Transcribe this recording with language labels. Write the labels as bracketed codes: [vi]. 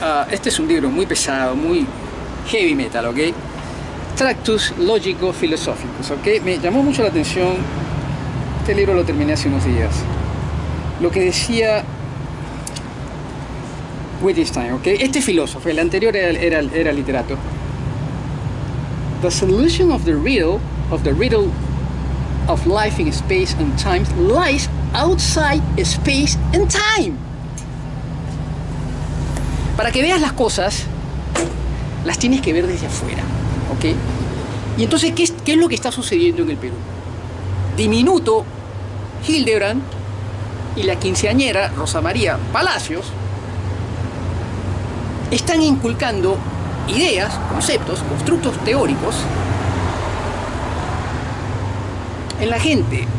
[es] Este es un libro muy pesado, muy heavy metal, ¿ok? Tractus Logico-Philosophicus, ¿ok? Me llamó mucho la atención, este libro lo terminé hace unos días, lo que decía Wittgenstein, ¿ok? Este filósofo, el anterior era literato. [en] The solution of the riddle of life in space and time lies outside space and time. [es] Para que veas las cosas, las tienes que ver desde afuera, ¿ok? Y entonces, ¿qué es lo que está sucediendo en el Perú? Diminuto Hildebrand y la quinceañera Rosa María Palacios están inculcando ideas, conceptos, constructos teóricos en la gente.